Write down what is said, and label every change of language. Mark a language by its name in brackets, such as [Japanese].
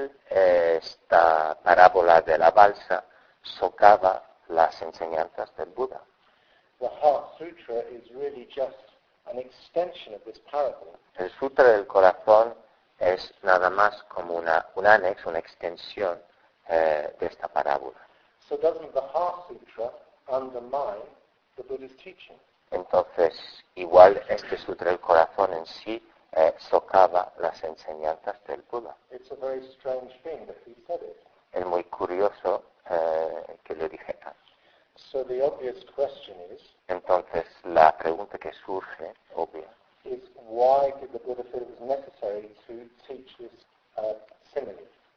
[Spanish] Esta parábola de la balsa socava las enseñanzas del Buda. [English] The Heart Sutra is really just an extension of this parable. [Spanish] El Sutra del Corazón es nada más como un anexo, una extensión de esta parábola. [English] So doesn't the Heart Sutra undermine the Buddha's teaching? [Spanish] Entonces, igual este Sutra del Corazón en sí socava las enseñanzas del Buda. [English] It's a very strange thing that he said it. [Spanish] Es muy curioso que lo dijera. [English] So the obvious question is, [Spanish] entonces, la pregunta que surge, obvia, [English] is why did the Buddha feel it was necessary to teach this simile?